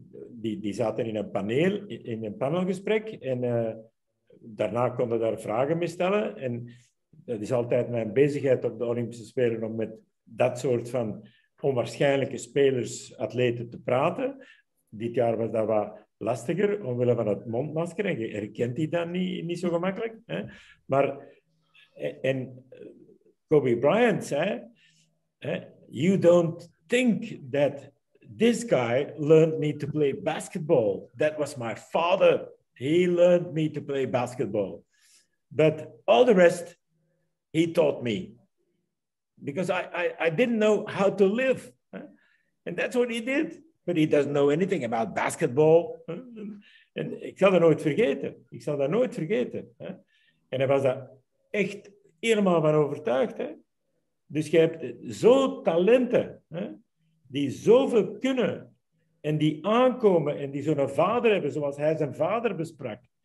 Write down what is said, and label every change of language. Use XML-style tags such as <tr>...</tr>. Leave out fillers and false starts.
<nl>Die zaten in een panelgesprek en daarna konden daar vragen mee stellen. En dat is altijd mijn bezigheid op de Olympische Spelen om met dat soort van onwaarschijnlijke spelers, atleten te praten. Dit jaar was dat wat lastiger omwille van het mondmasker. En je herkent die dan niet zo gemakkelijk. Hè. Maar en Kobe Bryant zei,</nl> <en>you don't think that this guy learned me to play basketball. That was my father. He learned me to play basketball. But all the rest, he taught me. Because I didn't know how to live. And that's what he did. But he doesn't know anything about basketball.</en> <nl>En ik zal dat nooit vergeten. Ik zal dat nooit vergeten. En hij was daar echt helemaal van overtuigd. Hè? Dus je hebt zo'n talenten, hè? Die zoveel kunnen en die aankomen en die zo'n vader hebben, zoals hij zijn vader besprak.</nl>